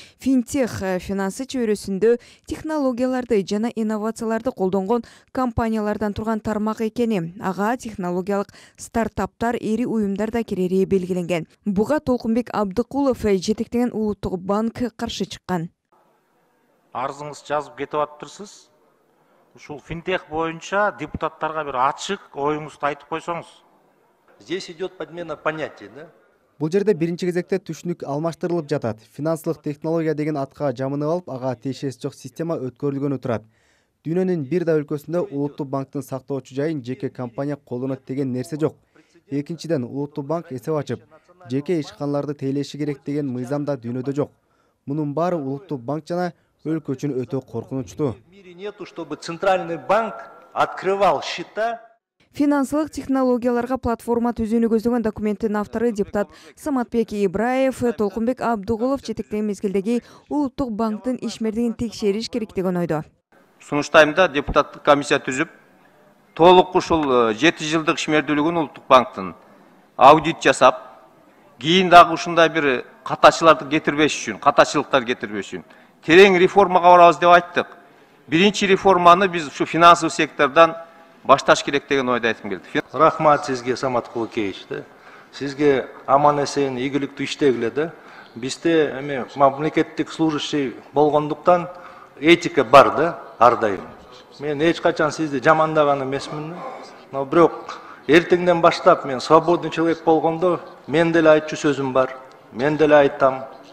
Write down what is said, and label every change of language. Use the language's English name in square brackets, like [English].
[Kyrgyz] Финтех финансы чөйрөсүндө технологияларды жана инновацияларды колдонгон компаниялардан турган тармак экени, ага технологиялык стартаптар, ири уюмдар да кирери белгиленген. Буга Толкунбек Абдык Кулов жетектеген Улуттук банк каршы чыккан. Арызыңыз жазып кетип атырсыз. Ушул финтех боюнча депутаттарга бир ачык оюңузду айтып койсоңуз. [Russian] Здесь идет подмена понятий, да? [Kyrgyz] Бул жерде биринчи кезекте түшүнүк алмаштырылып жатат. Финансылык технология деген атка жамынып алып, ага тиешеси жок система өткөрүлгөнү турат. Дүйнөнүн бир да өлкөсүндө Улуттук банктын сактоочу жайын жеке компания колдонот деген нерсе жок. Экинчиден Улуттук банк эсеп ачып жеке ишканаларды тейлеши керек деген мыйзам да дүйнөдө жок. Мунун баары Улуттук банк жана өлкө үчүн өтө коркунучтуу. [Russian] В мире нету, чтобы центральный банк открывал счета. [Kyrgyz] Финансылык технологияларга платформа түзүүнү көздөгөн документтин автору депутат Саматбек Ибраев Толкунбек Абдыгулов жетектеген мезгилдеги Улуттук банктын ишмердигин текшериш керек деген ойдо. Сунуштайм да депутаттык комиссия түзүп толук ушул 7 жылдык ишмердүүлүгүн Улуттук банктын аудит жасап кийин дагы ушундай бир катачыларды кетирбеш үчүн, катачылыктар кетирбеш үчүн терең реформага барабыз деп айттык. Биринчи реформаны биз ушу финансовый сектордон башташ керек деген ойду айткым келди. Рахмат сизге, Самат Кулкевич, да? Сизге аман эсен ийгиликтүү иштегиле да. Бизде эми мамлекеттик служащий болгондуктан этика бар да, ар дайым. Мен эч качан сизди жамандаган эмесмин. Но бирок эртеңден баштап мен [Russian] свободный человек [Kyrgyz] болгондо мен деле айтчу сөзүм бар. Мен деле айтам.